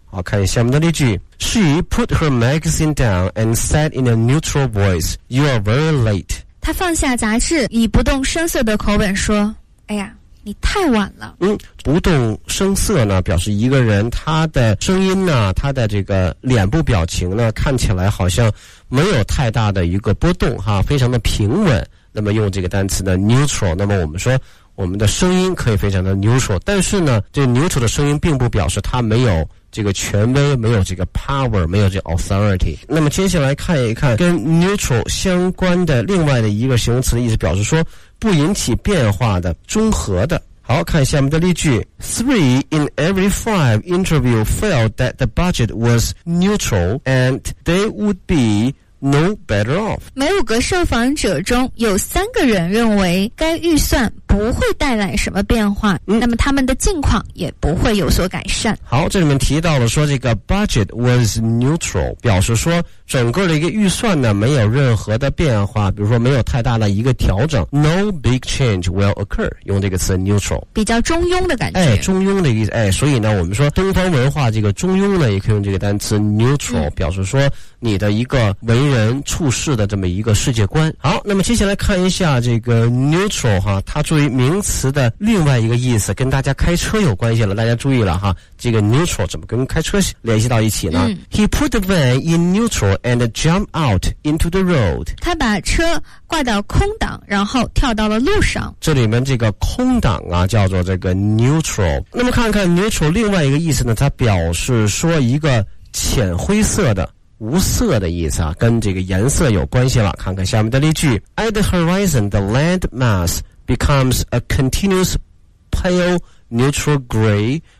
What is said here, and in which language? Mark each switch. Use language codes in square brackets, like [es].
[zh] 好，看下面的例句， [en] She put her magazine down and said in a neutral voice, You are very late. [zh] 她放下杂志以不动声色的口吻说，哎呀你太晚了。不动声色呢表示一个人他的声音呢他的这个脸部表情呢看起来好像没有太大的一个波动哈，非常的平稳。那么用这个单词的 neutral， 那么我们说我们的声音可以非常的 neutral， 但是呢这 neutral 的声音并不表示他没有这个权威，没有这个 power， 没有这个 authority。那么接下来看一看跟 neutral 相关的另外的一个形容词的意思，表示说不引起变化的，综合的。好，看下面的例句， [en] 3 in every 5 interview felt that the budget was neutral and they would be no better off。 [zh] 每五个受访者中有三个人认为该预算不会带来什么变化，那么他们的境况也不会有所改善。好，这里面提到了说这个 budget was neutral， 表示说整个的一个预算呢没有任何的变化，比如说没有太大的一个调整， [en] no big change will occur， [zh] 用这个词 neutral，比较中庸的感觉。中庸的意思。所以呢我们说东方文化这个中庸呢也可以用这个单词 neutral， 表示说你的一个文为人处事的这么一个世界观。好，那么接下来看一下这个 neutral 哈，它作为名词的另外一个意思跟大家开车有关系了，大家注意了哈，这个 neutral 怎么跟开车联系到一起呢？ [en] He put the van in neutral and jumped out into the road， [zh] 他把车挂到空档然后跳到了路上。这里面这个空档啊叫做这个 neutral。那么看看 neutral 另外一个意思呢，它表示说一个浅灰色的，无色的意思啊，跟这个颜色有关系了。看看下面的例句， [en] At the horizon the land mass becomes a continuous pale neutral gray